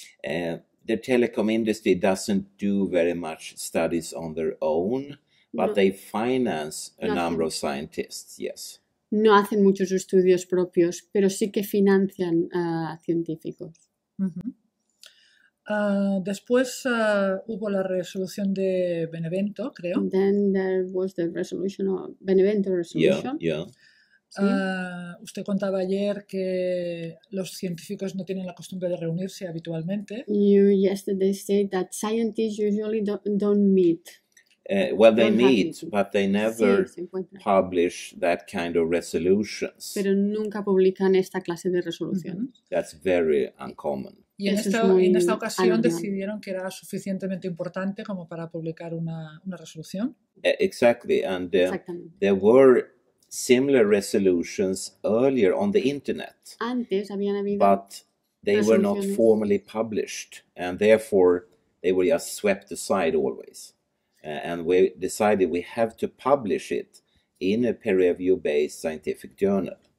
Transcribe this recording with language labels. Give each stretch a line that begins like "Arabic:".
English: The telecom industry doesn't do very much studies on their own, but they finance a number of scientists. Yes.
Spanish: No hacen muchos estudios propios, pero sí que financian científicos. Después hubo la resolución de Benevento, creo.
English: And then there was the resolution of Benevento resolution. Yeah, yeah.
Spanish: Usted contaba ayer que los científicos no tienen la costumbre de reunirse habitualmente.
English: You yesterday said that scientists usually don't meet. Well, they meet, but they never publish that kind of resolutions.
Spanish: Pero nunca publican esta clase de resoluciones.
English: Mm-hmm. That's very uncommon.
Spanish: Y en esta ocasión alien. Decidieron que era suficientemente importante como para publicar una resolución.
English: Exactly, and there were similar resolutions earlier on the internet.
Spanish: Antes habían habido,
English: but they were not formally published, and therefore they were just swept aside always. And we decided we have to publish it in a peer-review-based scientific journal.